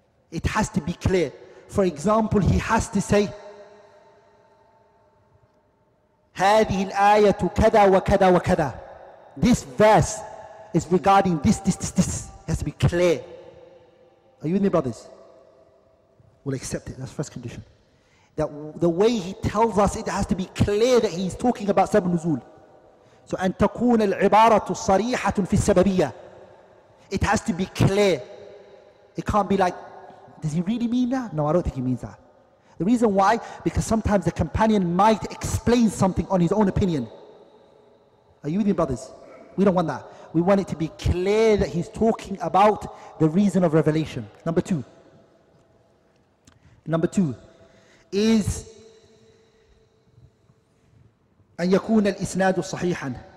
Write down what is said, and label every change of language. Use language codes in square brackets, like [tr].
[en] It has to be clear. For example, he has to say, [ar] هذه الآية كذا وكذا وكذا. [en] This verse is regarding this. It has to be clear. Are you with me, brothers? We'll accept it. That's the first condition. That the way he tells us, it has to be clear that he's talking about سبب النزول. So, [ar] أن تكون العبارة صريحة في السببية. [en] It has to be clear. It can't be like, does he really mean that? No, I don't think he means that. The reason why, because sometimes the companion might explain something on his own opinion. Are you with me, brothers? We don't want that. We want it to be clear that he's talking about the reason of revelation. Number two, is [ar] أن يكون الإسناد صحيحا.